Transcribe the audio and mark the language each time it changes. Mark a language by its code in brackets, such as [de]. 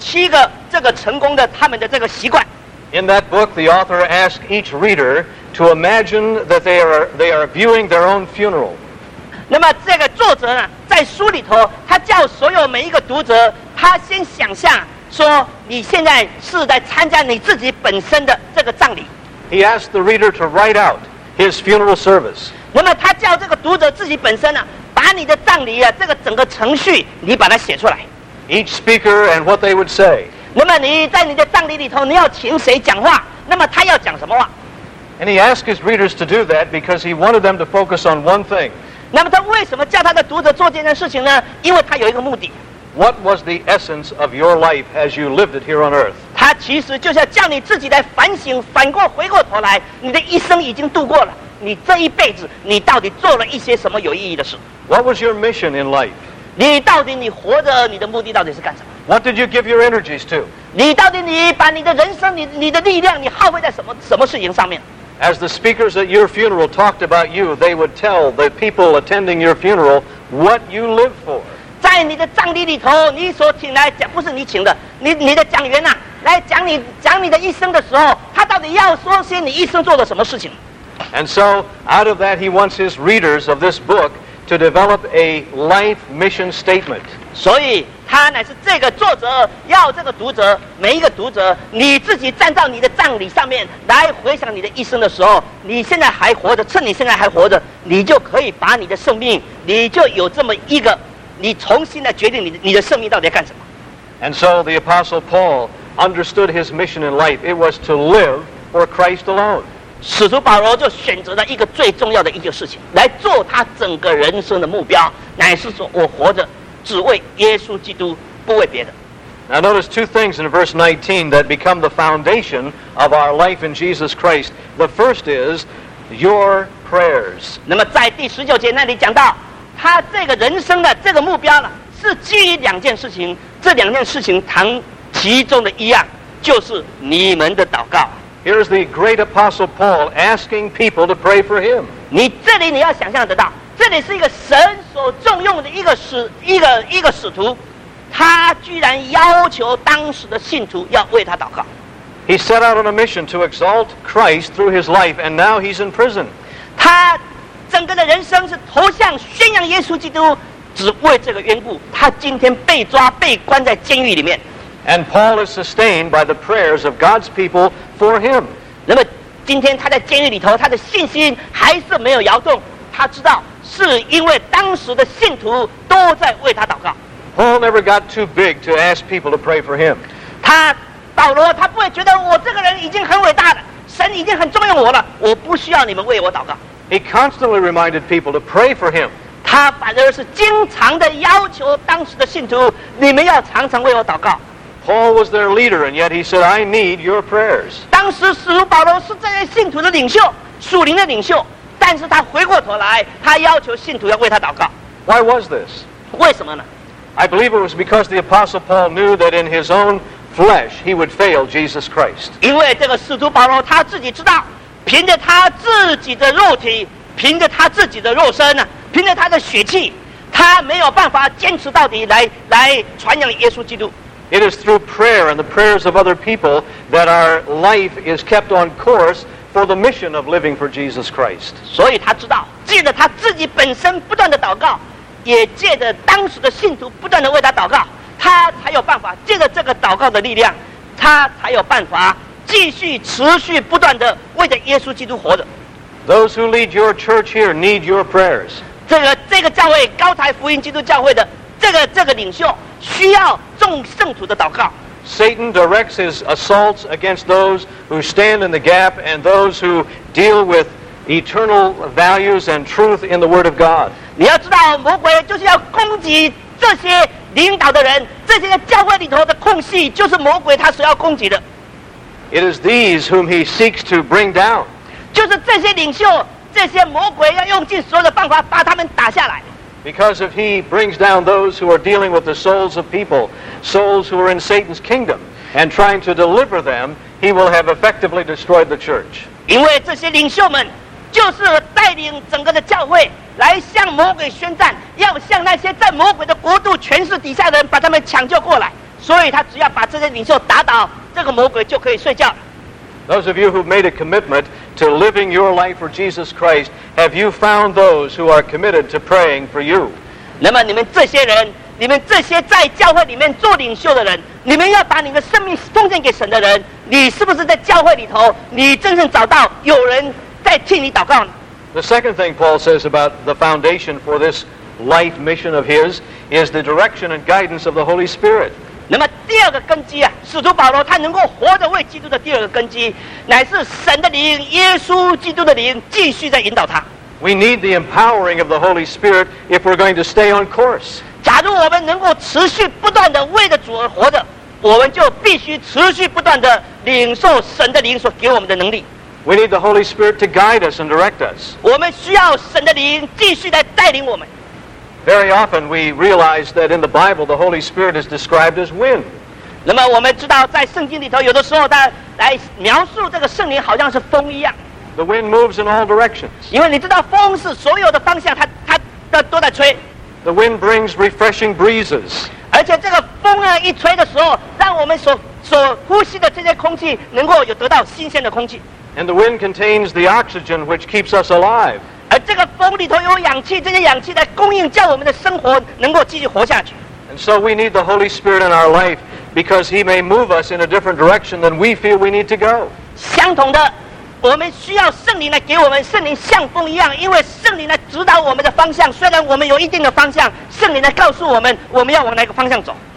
[zh] 那么过去几年的时候，这几年前我读过一本很有趣的书啊。这本书啊，是讲到这些成功的人有总共有七个这个成功的他们的这个习惯。 [en] In that book, the author asked each reader to imagine that they are viewing their own funeral. [zh] 那么这个作者呢，在书里头，他叫所有每一个读者。他先想象说，你现在是在参加你自己本身的这个葬礼。 [en] He asked the reader to write out his funeral service. [zh] 那么他叫这个读者自己本身呢，把你的葬礼啊，这个整个程序，你把它写出来。 [en] Each speaker and what they would say. [zh] 那么你在你的葬礼里头，你要请谁讲话？那么他要讲什么话？ [en] And he asked his readers to do that because he wanted them to focus on one thing. [zh] 那么他为什么叫他的读者做这件事情呢？因为他有一个目的。 [en] What was the essence of your life as you lived it here on earth? [zh] 它其实就是要叫你自己来反省，反过回过头来，你的一生已经度过了，你这一辈子你到底做了一些什么有意义的事？ [en] What was your mission in life? [zh] 你到底你活着，你的目的到底是干什么？ [en] What did you give your energies to? [zh] 你到底你把你的人生 你的力量你耗费在什么事情上面？ [en] As the speakers at your funeral talked about you, they would tell the people attending your funeral what you live for. [zh] 在你的葬礼里头，你所请来讲，不是你请的，你的讲员啊，来讲你讲你的一生的时候，他到底要说些你一生做的什么事情？ [en] And so out of that, he wants his readers of this book to develop a life mission statement. [zh] 所以他乃是这个作者要这个读者每一个读者你自己站到你的葬礼上面来回想你的一生的时候你现在还活着趁你现在还活着你就可以把你的生命你就有这么一个你重新来决定 你的生命到底要干什么 [en] And so the Apostle Paul understood his mission in life. It was to live for Christ alone. [zh] 使徒保罗就选择了一个最重要的一件事情来做他整个人生的目标乃是说我活着只为耶稣基督不为别的 [en] Now notice two things in verse 19 that become the foundation of our life in Jesus Christ. The first is your prayers. [zh] 那么在第十九节那里讲到他这个人生的这个目标呢是基于两件事情这两件事情谈其中的一样就是你们的祷告 [en] Here's the great apostle Paul asking people to pray for him. [zh] 你这里你要想象得到这里是一个神所重用的一个使徒他居然要求当时的信徒要为他祷告 [en] He set out on a mission to exalt Christ through his life and now he's in prison [zh] 他整个的人生是投向宣扬耶稣基督只为这个缘故他今天被抓被关在监狱里面 [en] And Paul is sustained by the prayers of God's people for him [zh] 那么今天他在监狱里头他的信心还是没有摇动他知道是因为当时的信徒都在为他祷告 [en] Paul never got too big to ask people to pray for him [zh] 他保罗他不会觉得我这个人已经很伟大了神已经很重用我了我不需要你们为我祷告 [en] He constantly reminded people to pray for him [zh] 他反而是经常的要求当时的信徒你们要常常为我祷告 [en] Paul was their leader and yet he said I need your prayers [zh] 当时使徒保罗是这些信徒的领袖属灵的领袖但是他回过头来他要求信徒要为他祷告 [en] Why was this? [zh] 为什么呢 [en] I believe it was because the Apostle Paul knew that in his own flesh he would fail Jesus Christ [zh] 因为这个使徒保罗他自己知道凭着他自己的肉体凭着他自己的肉身凭着他的血气他没有办法坚持到底来传扬耶稣基督 [en] It is through prayer and the prayers of other people that our life is kept on course for the mission of living for Jesus Christ. [zh] 所以他知道借着他自己本身不断的祷告也借着当时的信徒不断的为他祷告他才有办法借着这个祷告的力量他才有办法继续持续不断的为着耶稣基督活着。 [en] Those who lead your church here need your prayers. [zh] 这个教会高台福音基督教会的这个领袖需要众圣徒的祷告。 [en] Satan directs his assaults against those who stand in the gap and those who deal with eternal values and truth in the Word of God. [zh] 你要知道，魔鬼就是要攻击这些领导的人，这些教会里头的空隙，就是魔鬼他所要攻击的。 [en] It is these whom he seeks to bring down. [zh] 就是这些领袖，这些魔鬼要用尽所有的办法把他们打下来。 [en] Because if he brings down those who are dealing with the souls of people, souls who are in Satan's kingdom, and trying to deliver them, he will have effectively destroyed the church. [zh] 因为这些领袖们就是带领整个的教会来向魔鬼宣战，要向那些在魔鬼的国度权势底下的人把他们抢救过来。所以他只要把这些领袖打倒，这个魔鬼就可以睡觉了。 [en] Those of you who made a commitment to living your life for Jesus Christ, have you found those who are committed to praying for you? [zh] 那么你们这些人，你们这些在教会里面做领袖的人，你们要把你的生命奉献给神的人，你是不是在教会里头，你真正找到有人在替你祷告呢？ [en] The second thing Paul says about the foundation for this life mission of his is the direction and guidance of the Holy Spirit. [zh] 那么第二个根基啊，使徒保罗他能够活着为基督的第二个根基，乃是神的灵，耶稣基督的灵继续在引导他。 [en] We need the empowering of the Holy Spirit if we're going to stay on course. [zh] 假如我们能够持续不断的为着主而活着，我们就必须持续不断的领受神的灵所给我们的能力。 [en] We need the Holy Spirit to guide us and direct us. [zh] 我们需要神的灵继续来带领我们。 [en] Very often we realize that in the Bible the Holy Spirit is described as wind. [zh] 那么我们知道在圣经里头有的时候它来描述这个圣灵好像是风一样。 [en] The wind moves in all directions. [zh] 因为你知道风是所有的方向 它都在吹。 [en] The wind brings refreshing breezes. [zh] 而且这个风呢一吹的时候让我们所呼吸的这些空气能够有得到新鲜的空气。 [en] And the wind contains the oxygen which keeps us alive. [zh] 而这个风里头有氧气这些氧气来供应叫我们的生活能够继续活下去。 [en] And so we need the Holy Spirit in our life because he may move us in a different direction than we feel we need to go. [zh] 相同的我们需要圣灵来给我们圣灵像风一样因为圣灵来指导我们的方向虽然我们有一定的方向圣灵来告诉我们我们要往哪个方向走